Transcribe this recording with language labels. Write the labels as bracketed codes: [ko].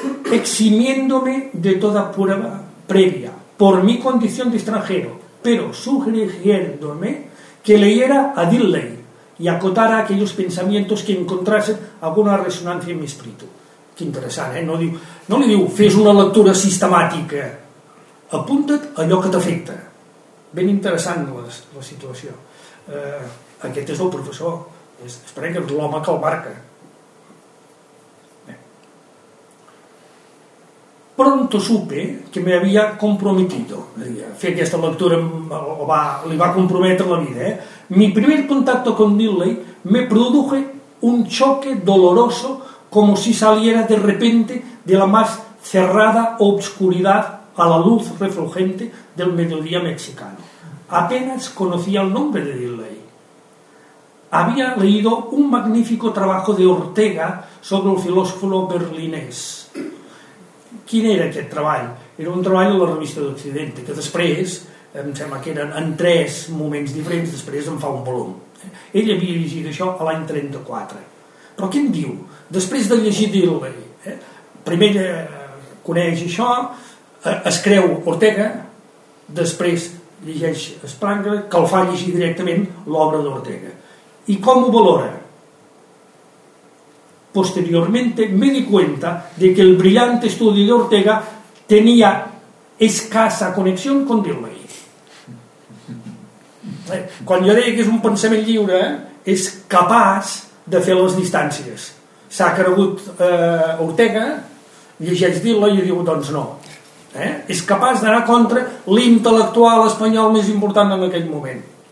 [es] eximiéndome de toda prueba previa, por mi condición de extranjero, pero sugiriéndome que leyera a Dewey, y acotara aquellos pensamientos que encontrasen alguna resonancia en mi espíritu. [ca] Que interessant, eh? No li diu, fes una lectura sistemàtica. Apunta't allò que t'afecta. Ben interessant la situació. Aquest és el professor. Esperem que és l'home que el marca. Bé. [es] Pronto supe que me había comprometido. [ca] Fer aquesta lectura li va comprometre la vida, eh? [es] Mi primer contacto con Dewey me produjo un choque doloroso como si saliera de repente de la más cerrada obscuridad a la luz refulgente del mediodía mexicano. Apenas conocía el nombre de Dewey. Había leído un magnífico trabajo de Ortega sobre el filósofo berlinés. ¿Quién era aquel trabajo? Era un trabajo en la revista de Occidente, que después... [ca] em sembla que eren en tres moments diferents, després en fa un volum. Ell havia llegit això a l'any 34. Però què en diu? Després de llegir Dewey, primer coneix això, es creu Ortega, després llegeix Spengler, que el fa llegir directament l'obra d'Ortega. I com ho valora? [es] Posteriormente me di cuenta de que el brillante [ca] estudi d'Ortega tenia escassa connexió [es] con Dewey. [ca] Quan jo deia que és un pensament lliure, és capaç de fer les distàncies. S'ha cregut Ortega, llegeix Dilo i diu, doncs no. És capaç d'anar contra l'intel·lectual espanyol més important en aquell moment.